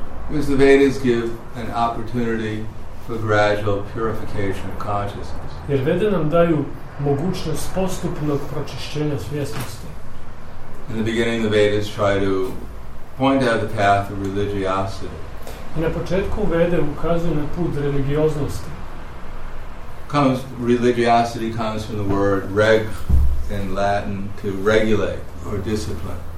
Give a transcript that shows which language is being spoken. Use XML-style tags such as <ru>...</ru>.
<en>Because the Vedas give an opportunity for gradual purification of consciousness.</en> <hr>Jer Vede nam daju mogućnost postupnog pročišćenja svjesnosti.</hr> <en>In the beginning the Vedas try to point out the path of religiosity.</en> <hr>Na početku Vede ukazuje na put religioznosti.</hr> <en>Religiosity comes from the word reg in Latin, to regulate or discipline.</en>